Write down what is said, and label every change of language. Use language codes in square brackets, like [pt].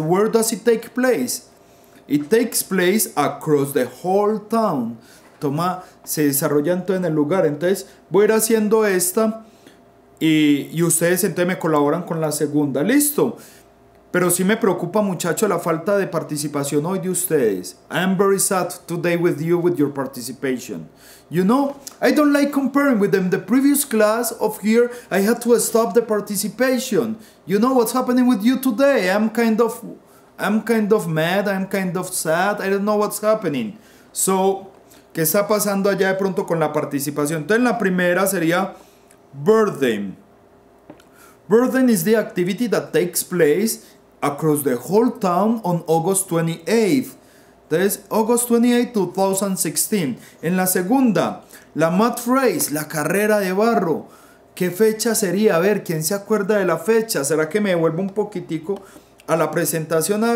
[en] Where does it take place? It takes place across the whole town. [es] Se desarrolla entonces en el lugar. Entonces voy a ir haciendo esta. Y ustedes entonces me colaboran con la segunda. Listo. Pero sí me preocupa, muchachos, la falta de participación hoy de ustedes. [en] I'm very sad today with you with your participation. You know, I don't like comparing with them. The previous class of here, I had to stop the participation. You know what's happening with you today? I'm kind of mad. I'm kind of sad. I don't know what's happening. [es] So, ¿qué está pasando allá de pronto con la participación? Entonces, la primera sería burden. [en] Burden is the activity that takes place across the whole town on August 28th. That is August 28th, 2016. [es] En la segunda, la mud race, la carrera de barro. ¿Qué fecha sería? A ver, ¿quién se acuerda de la fecha? ¿Será que me devuelvo un poquitico a la presentación?